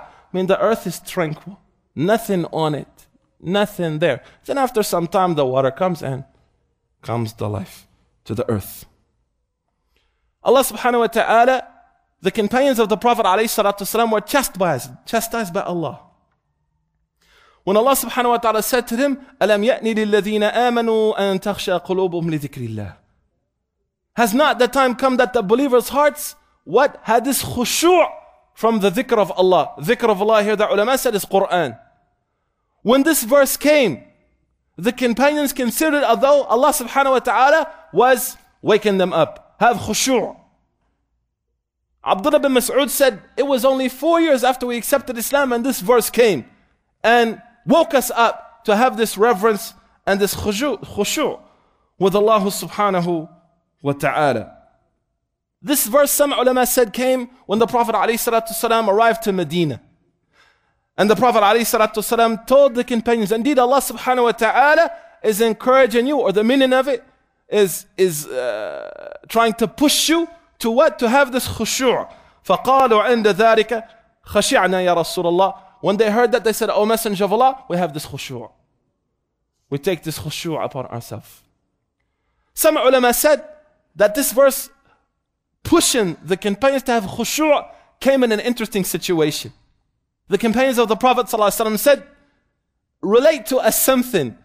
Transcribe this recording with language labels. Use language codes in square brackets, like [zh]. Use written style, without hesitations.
[en] I mean the earth is tranquil. Nothing on it. Nothing there. Then after some time, the water comes and comes the life to the earth. Allah subhanahu wa ta'ala, the companions of the Prophet alayhi salatu wasalam were chastised by Allah. When Allah subhanahu wa ta'ala said to them, [ar] أَلَمْ يَأْنِ لِلَّذِينَ آمَنُوا أَن تَخْشَى قُلُوبُهُمْ لِذِكْرِ اللَّهِ. [en] Has not the time come that the believers' hearts, what? Had this khushu' from the dhikr of Allah. Dhikr of Allah here, the ulama said, is Quran. When this verse came, the companions considered as though Allah subhanahu wa ta'ala was waking them up. Have khushu'. Abdullah bin Mas'ud said, it was only 4 years after we accepted Islam and this verse came and woke us up to have this reverence and this khushu' with Allah subhanahu wa ta'ala. This verse, some ulama said, came when the Prophet alayhi salatu wasalam arrived to Medina. And the Prophet alayhi salatu wasalam told the companions, indeed Allah subhanahu wa ta'ala is encouraging you, or the meaning of it is trying to push you to what? To have this khushu'. [ar] فقالوا عند ذلك خشعنا يا رسول الله. [en] When they heard that, they said, "Oh, Messenger of Allah, we have this khushu'. We take this khushu' upon ourselves." Some ulama said that this verse pushing the companions to have khushu' came in an interesting situation. The companions of the Prophet ﷺ said, "Relate to us something."